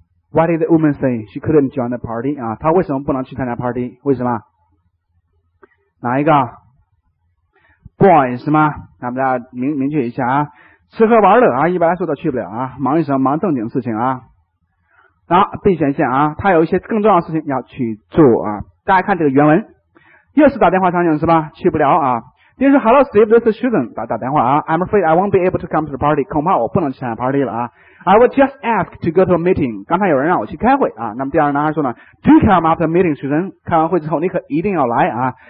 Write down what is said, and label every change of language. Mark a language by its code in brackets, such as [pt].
[en] Why did the woman say she couldn't join the party? [zh] 啊，她为什么不能去参加 party? 为什么？哪一个？Boy 是吗？那么大家明确一下啊，吃喝玩乐啊，一般来说都去不了啊，忙于什么？忙正经事情啊。然后 B 选项啊，他有一些更重要的事情要去做啊。大家看这个原文，又是打电话场景是吧？去不了啊。听说 [en] Hello Steve, this is Susan, [zh] 打电话啊。 [en] I'm afraid I won't be able to come to the party, [zh] 恐怕我不能去参加 party 了啊。 [en] I was just asked to go to a meeting, [zh] 刚才有人让我去开会啊。那么第二个男孩说呢 , [en] Do come after meeting, Susan, [zh] 开完会之后你可一定要来啊。